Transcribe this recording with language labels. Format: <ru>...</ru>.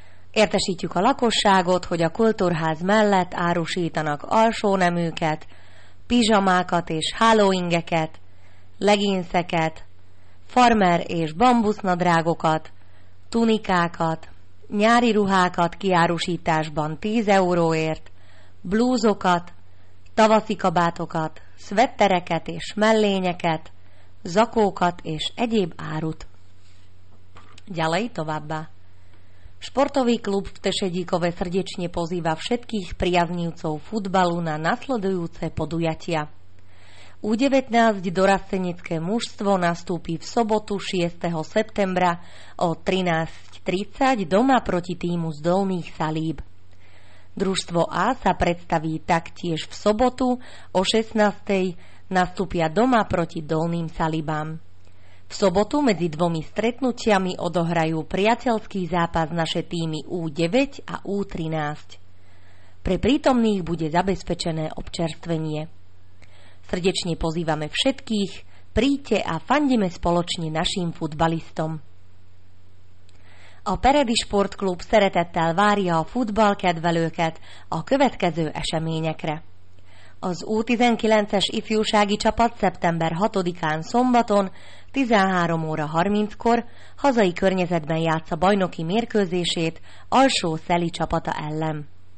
<hu>Értesítjük a lakosságot, hogy a kultúrház mellett árusítanak alsóneműket, pizsamákat és hálóingeket, leginszeket, farmer és bambusznadrágokat, tunikákat, nyári ruhákat kiárusításban 10 euróért, blúzokat, tavaszi kabátokat, szvettereket és mellényeket, zakókat és egyéb árut. Gyalej továbbá!</hu> <sk>Športový klub v Tešedíkove srdečne pozýva všetkých priaznivcov futbalu na nasledujúce podujatia. U19 dorastenecké mužstvo nastúpi v sobotu 6. septembra o 13:30 doma proti týmu z Dolných Salíb. Družstvo A sa predstaví taktiež v sobotu o 16:00 nastúpia doma proti Dolným Salíbám. V sobotu medzi dvomi stretnutiami odohrajú priateľský zápas naše týmy U9 a U13. Pre prítomných bude zabezpečené občerstvenie. Srdečne pozývame všetkých, príďte a fandime spoločne našim futbalistom.</sk> <hu>A Peredi Sportklub szeretettel várja a futballkedvelőket a következő eseményekre. Az U19-es ifjúsági csapat szeptember 6-án szombaton 13 óra 30-kor hazai környezetben játssza bajnoki mérkőzését Alsó Szeli csapata ellen.</hu>